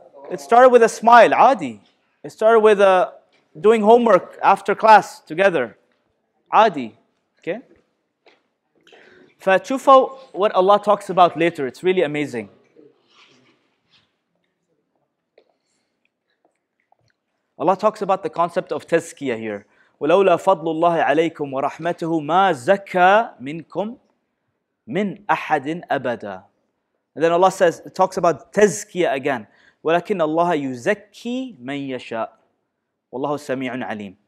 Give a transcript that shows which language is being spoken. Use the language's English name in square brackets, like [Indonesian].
[English] It started with a smile, [Arabic] عادي. [English] It started with doing homework after class together. [Arabic] عادي. [English] Okay? [Arabic] فتشوفوا [English] what Allah talks about later. It's really amazing. Allah talks about the concept of tazkiyah here. [Arabic] ولولا فضل الله عليكم ورحمته ما زكى منكم من أحد أبدا. [English] And then Allah says, it talks about tazkiyah again. [Arabic] ولكن الله يزكي من يشاء والله سميع عليم.